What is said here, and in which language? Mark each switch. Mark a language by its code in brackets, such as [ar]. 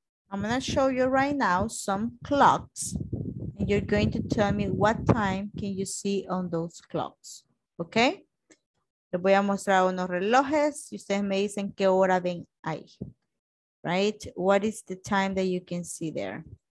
[en] I'm going to show you right now some clocks and you're going to tell me what time can you see on those clocks. Okay? [es] Les voy a mostrar unos relojes y ustedes me dicen qué hora ven ahí. [en] Right? What is the time that you can see there?